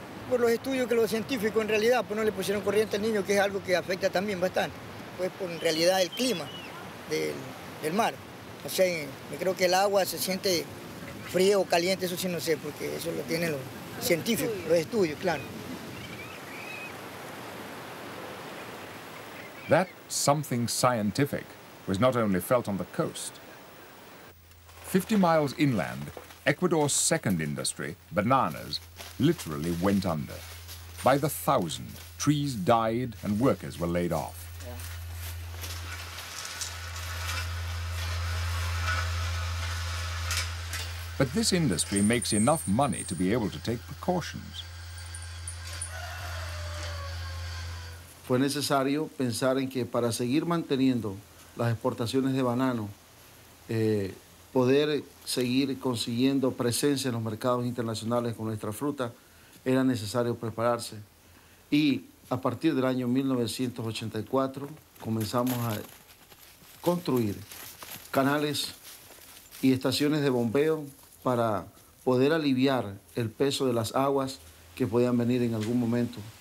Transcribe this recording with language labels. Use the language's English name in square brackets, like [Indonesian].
[Spanish] Por los estudios que los científicos en realidad pues no le pusieron corriente al Niño, que es algo que afecta también bastante, pues por en realidad el clima del mar. O sea, me creo que el agua se siente frío o caliente, eso sí no sé, porque eso lo tienen los científicos, estudios, claro. [English] That something scientific was not only felt on the coast. 50 miles inland, Ecuador's second industry, bananas, literally went under. By the thousand, trees died and workers were laid off. But this industry makes enough money to be able to take precautions. [Spanish] Fue necesario pensar en que para seguir manteniendo las exportaciones de banano, poder seguir consiguiendo presencia en los mercados internacionales con nuestra fruta, era necesario prepararse. Y a partir del año 1984 comenzamos a construir canales y estaciones de bombeo para poder aliviar el peso de las aguas que podían venir en algún momento.